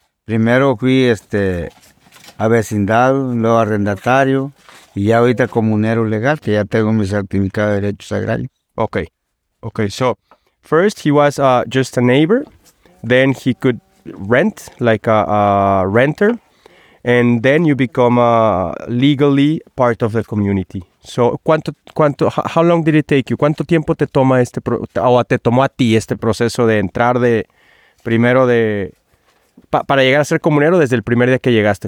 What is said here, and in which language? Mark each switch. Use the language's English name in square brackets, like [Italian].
[Spanish] Primero fui avecindado, luego arrendatario, y ya ahorita comunero legal, que ya tengo mi certificado de derechos agrarios. [English] Okay, so first he was just a neighbor, then he could rent, like a renter, and then you become legally part of the community. So, how long did it take you? [Spanish] ¿Cuánto tiempo te toma este o te tomó a ti este proceso de entrar de primero de para llegar a ser comunero desde el primer día que llegaste?